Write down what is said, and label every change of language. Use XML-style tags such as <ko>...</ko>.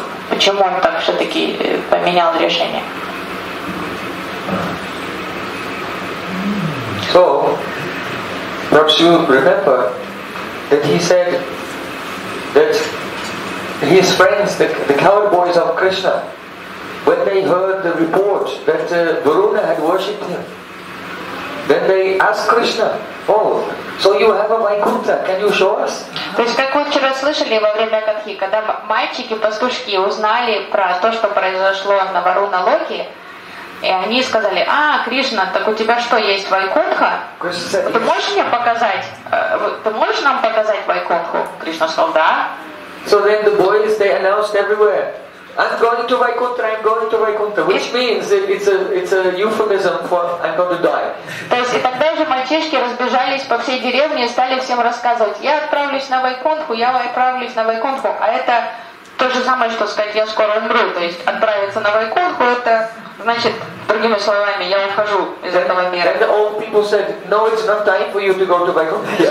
<ru>Почему он так все-таки поменял решение?</ru> <en>So, perhaps you remember that he said that his friends, the coward boys of Krishna, when they heard the report that Varuna had worshipped him, then they asked Krishna, oh, so you have a Vaikuntha, can you show us?</en> <ru>То есть, как вы вчера слышали во время Катхи, когда мальчики-пастушки узнали про то, что произошло на Варуна Локе, и они сказали, а, Кришна, так у тебя что, есть Вайкунха? Ты можешь мне показать? Ты можешь нам показать Вайкунху? Кришна сказал, да.</ru> <en>So then the boys, they announced everywhere. I'm going to Vaikuntha, I'm going to Vaikuntha, which means it's a euphemism for I'm going to die.</en> <ru>То есть тогда же мальчишки разбежались по всей деревне и стали всем рассказывать: я отправлюсь на Вайкунтху, я отправлюсь на Вайкунтху. А это то же самое, что сказать: я скоро умру. То есть отправиться на Вайкунтху — это значит, другими словами, я ухожу из этого мира.</ru> <en>And the old people said, no, it's not time for you to go to Vaikunth.</en>